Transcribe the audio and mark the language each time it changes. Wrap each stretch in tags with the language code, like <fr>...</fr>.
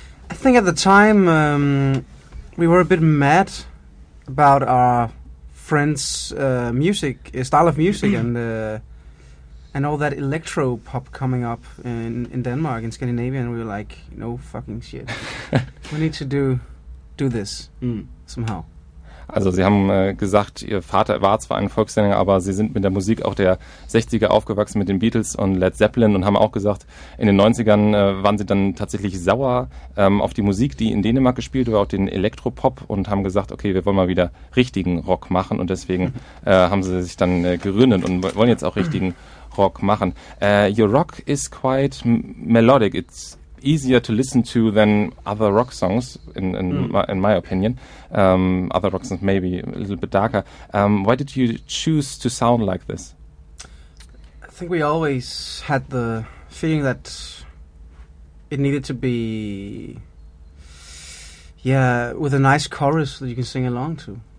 <en>I think at the time we were a bit mad about our friends' style of music and all that electro pop coming up in Denmark, in Scandinavia, and we were like, no fucking shit. We need to do this somehow.</en> <de>Also sie haben gesagt, ihr Vater war zwar ein Volkssänger, aber sie sind mit der Musik auch der 60er aufgewachsen, mit den Beatles und Led Zeppelin, und haben auch gesagt, in den 90ern waren sie dann tatsächlich sauer auf die Musik, die in Dänemark gespielt wurde, auch den Elektropop, und haben gesagt, okay, wir wollen mal wieder richtigen Rock machen, und deswegen haben sie sich dann gegründet und wollen jetzt auch richtigen Rock machen.</de> <en>Your rock is quite melodic. It's easier to listen to than other rock songs, in my opinion. Other rock songs maybe a little bit darker. Why did you choose to sound like this? I think we always had the feeling that it needed to be, with a nice chorus that you can sing along to.</en>